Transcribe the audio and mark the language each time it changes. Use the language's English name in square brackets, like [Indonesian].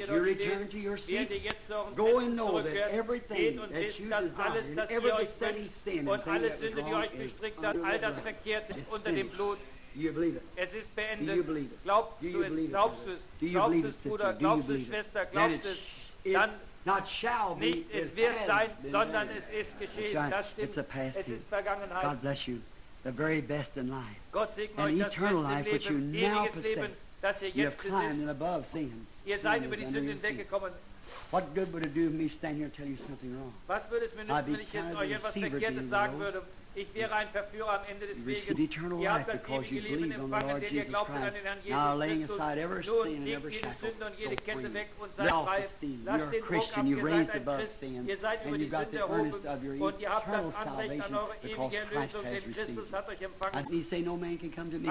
[English] as you return to your seat, go and know that everything that you desire, and every besetting sin and thing that you've wrong is under all the blood, it's finished. Do you believe it? [German] Es ist beendet. [English] Do you believe it? [German] Glaubst du es? Glaubst du es? Glaubst du es, Bruder? Glaubst du es, Schwester? Glaubst du es? Dann nicht, es wird sein, sondern es ist geschehen. Das stimmt. Es ist Vergangenheit. [English] God bless you. The very best in life. [German] Gott segne euch, das beste Leben, ewiges Leben, das ihr jetzt besitzt. Ihr seid über die Sünde hinweggekommen. [English] What good would it do me stand here and tell you something wrong? [German] Was würde es mir nützen, wenn ich jetzt euch etwas Verkehrtes sagen würde? Ich wäre ein Verführer am Ende des Weges. Ihr habt das ewige Leben empfangen, denn ihr glaubt an den Herrn Jesus Christus. Nun legt jede Sünde und jede Kette weg und seid frei. Lasst den Druck ab, ihr seid ein Christ. Ihr seid über die Sünde erhoben und ihr habt das Anrecht an eure ewige Erlösung, denn Christus hat euch empfangen.